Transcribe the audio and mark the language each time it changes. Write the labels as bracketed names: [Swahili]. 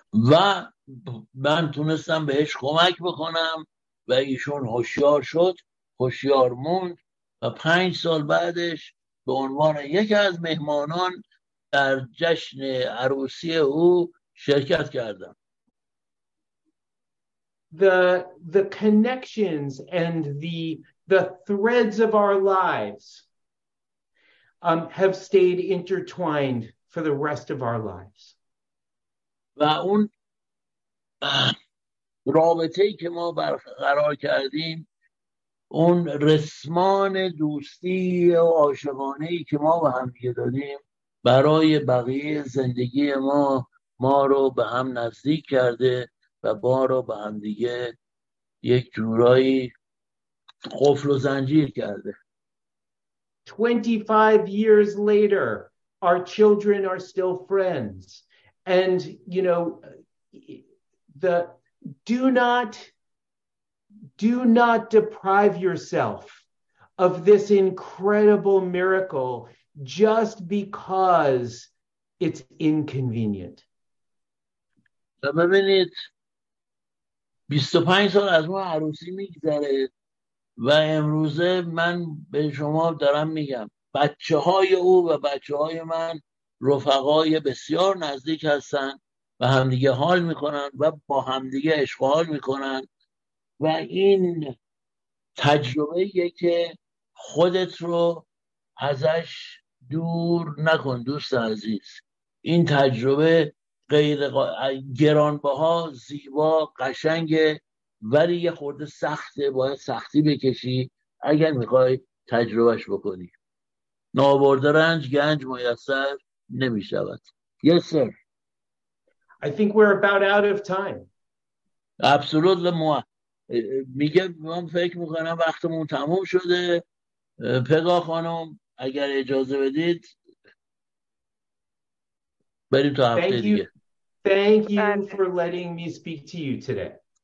[Persian] و من تونستم بهش کمک بکنم و ایشون هوشیار شد، هوشیار موند، و 5 سال بعدش به عنوان یکی از مهمانان در جشن عروسی او شرکت کردم. [English] The connections and the threads of our lives have stayed intertwined for the rest of our lives. [Persian] و اون رابطه‌ای که ما برقرار کردیم، اون رسمان دوستی و عاشقانه‌ای که ما به هم دیگه دادیم، برای بقیه زندگی ما رو به هم نزدیک کرده و ما رو به هم دیگه یک جورایی قفل و زنجیر کرده. [English] 25 years later, our children are still friends. And, you know, do not deprive yourself of this incredible miracle just because it's inconvenient. [Persian] ببینید 25 سال از ما عروسی میگذره و امروزه من به شما دارم میگم بچه های او و بچه های من رفقای بسیار نزدیک هستن و همدیگه حال میکنن و با همدیگه عشق حال میکنن، و این تجربه یه که خودت رو ازش دور نکن دوست عزیز. این تجربه غیر گرانبها، زیبا، قشنگه، ولی یه خورده سخته، باید سختی بکشی اگر میخوای تجربهش بکنی. نابرده رنج گنج میسر نمیشود. [English] Yes sir. I think we're about out of time. Absolutely. [Persian] ما میگه من فکر میکنم وقتمون تموم شده. پگا خانم اگر اجازه بدید بریم تو هفته دیگه. [English] Thank you for letting me speak to you today. Thank you for the opportunity. I appreciate it.